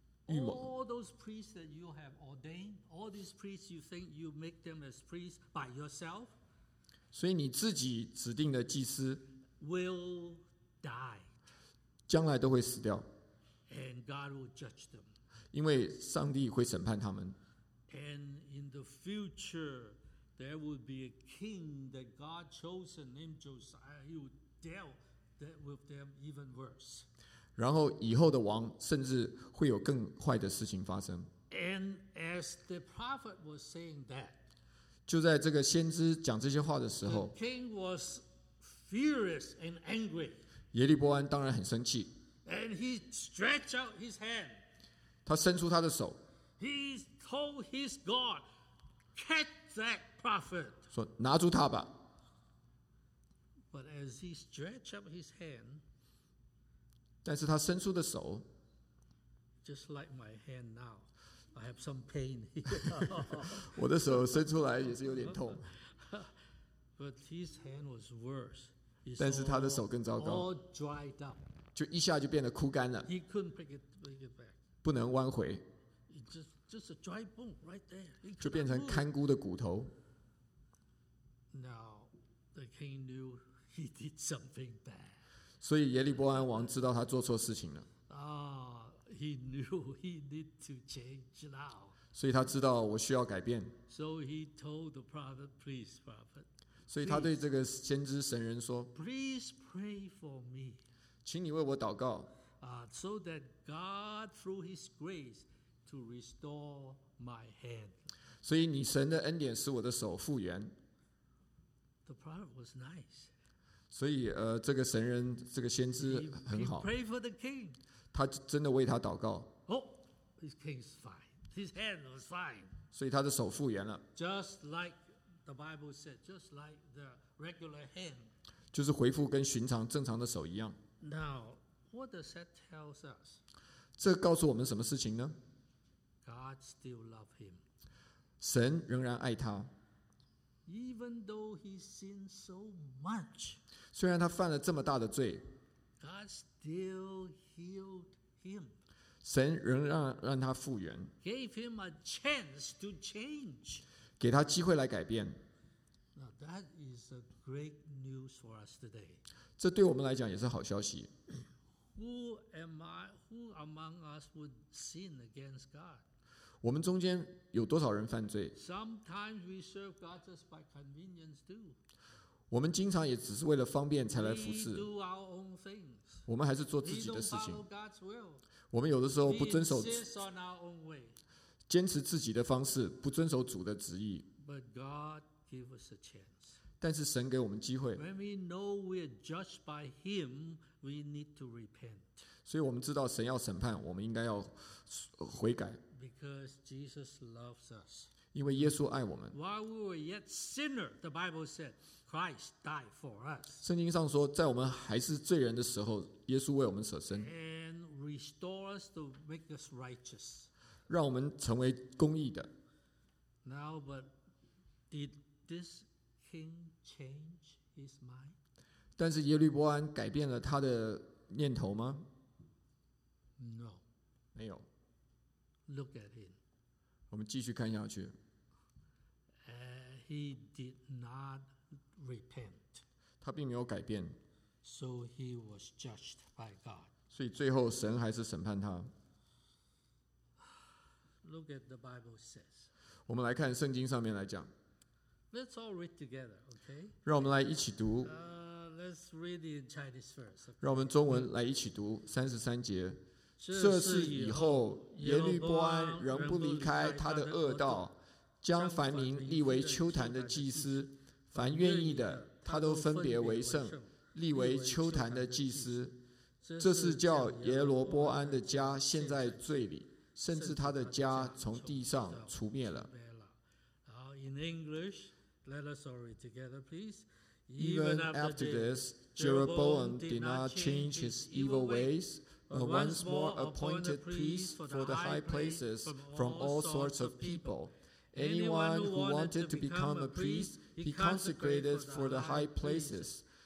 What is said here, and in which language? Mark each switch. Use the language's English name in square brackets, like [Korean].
[English] All those priests that you have ordained, all these priests you think you make them as priests by yourself, [Chinese] 所以你自己指定的祭司 [English] will die, [Chinese] 将来都会死掉 [English] and God will judge them, [Chinese] 因为上帝会审判他们 [English] and in the future there will be a king that God chosen named Josiah, he will deal with them even worse. [Chinese] 然后以后的王甚至会有更坏的事情发生。 [English] And as the prophet was saying that, [Chinese] 就在这个先知讲这些话的时候， [English] the king was furious and angry. [Chinese] 耶利伯安当然很生气。 [English] And he stretched out his hand. [Chinese] 他伸出他的手。 [English] He told his God, "Catch that prophet." [Chinese] 说拿住他吧。 [English] But as he stretched up his hand. [Chinese] 但是他伸出的手 [English] ，Just like my hand now, I have some pain. [Chinese] 我的手伸出来也是有点痛。 [English] But his hand was worse. [Chinese] 但是他的手更糟糕。 [English] All dried up. [Chinese] 就一下就变得枯干了。 [English] He couldn't pick it back. [Chinese] 不能弯回。 [English] Just a dry bone right there. [Chinese] 就变成干枯的骨头。 [English] Now the king knew he did something bad. [Chinese] 所以耶利伯安王知道他做错事情了。 [English] He knew he need to change now. [Chinese] 所以他知道我需要改变。 [English] So he told the prophet, "Please, prophet." [Chinese] 所以他对这个先知神人说 [English] ，"Please pray for me." [Chinese] 请你为我祷告。 [English] So that God through His grace to restore my hand. [Chinese] 所以你神的恩典使我的手复原。 [English] The prophet was nice. [Chinese] 所以这个神人这个先知很好 [English] he prayed for the king. [Chinese] 他真的为他祷告 [English] Oh, his king is fine. His hand was fine. [Chinese] 所以他的手复原了 [English] Just like the Bible said, just like the regular hand. [Chinese] 就是恢复跟寻常正常的手一样。 [English] Now, what does that tell us? [Chinese] 这告诉我们什么事情呢？ [English] God still loves him. [Chinese] 神仍然爱他。 [English] Even though he sinned so much, [Chinese] 虽然他犯了这么大的罪， [English] God still healed him. [Chinese] 神仍然 让他复原， [English] gave him a chance to change. [Chinese] 给他机会来改变。 [English] Now that is a great news for us today. [Chinese] 这对我们来讲也是好消息。 [English] Who am I? Who among us would sin against God? [Chinese] 我们中间有多少人犯罪？ [English] Sometimes we serve God just by convenience too. [Chinese] 我们经常也只是为了方便才来服侍。 [English] We do our own things. [Chinese] 我们还是做自己的事情。 [English] We don't follow God's will. [Chinese] 我们有的时候不遵守， [English] We insist on our own way. [Chinese] 坚持自己的方式，不遵守主的旨意。 [English] But God gave us a chance. [Chinese] 但是神给我们机会。 [English] When we know we are judged by Him, we need to repent. [Chinese] 所以我们知道神要审判，我们应该要悔改。 [English] Because Jesus loves us. [Chinese] 因为耶稣爱我们。 [English] While we were yet sinners, the Bible said, Christ died for us. [Chinese] 圣经上说，在我们还是罪人的时候，耶稣为我们舍身。 [English] And restore us to make us righteous. [Chinese] 让我们成为公义的。 [English] Now, but did this king change his mind? [Chinese] 但是耶律波安改变了他的念头吗？ [English] No. [Chinese] 没有。 [English] Look at him. [Chinese] 我们继续看下去。 [English] He did not repent. [Chinese] 他并没有改变。 [English] So he was judged by God. [Chinese] 所以最后神还是审判他。 [English] Look at the Bible says. [Chinese] 我们来看圣经上面来讲。 [English] Let's all read together, okay? [Chinese] 让我们来一起读。 [English] Let's read in Chinese first. [Chinese] 让我们中文来一起读三十三节。这事以后，耶律波安仍不离开他的恶道，将凡民立为秋坛的祭司，凡愿意的，他都分别为圣，立为秋坛的祭司。这是叫耶罗波安的家陷在罪里，甚至他的家从地上除灭了。 [English] In English, let us all read together, please. Even after this, Jeroboam did not change his evil ways. But once more appointed priests for the high places from all sorts of people. Anyone who wanted to become a priest, he consecrated for the high places.